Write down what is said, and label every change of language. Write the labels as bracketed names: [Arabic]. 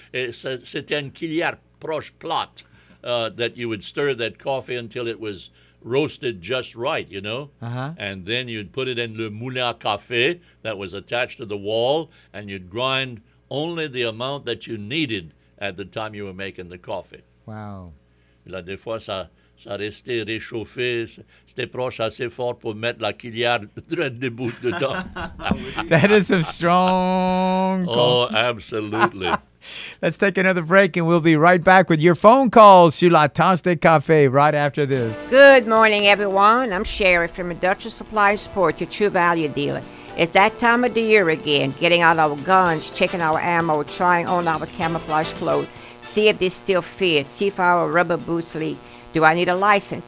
[French] C'était une cuillère proche plat [English] that you would stir that coffee until it was roasted just right, you know, and then you'd put it in [French] le moulin à café [English] that was attached to the wall, and you'd grind only the amount that you needed at the time you were making the coffee. Wow. [French] Là, des fois, ça, ça restait réchauffé, c'était proche assez fort pour mettre la quillière debout dedans. [English] That is some strong coffee. Oh, absolutely. Let's take another break, and we'll be right back with your phone calls to La Tasse de Café right after this. Good morning, everyone. I'm Sherry from Industrial Supply Support, your True Value dealer. It's that time of the year again, getting out our guns, checking our ammo, trying on our camouflage clothes, see if they still fit, see if our rubber boots leak. Do I need a license?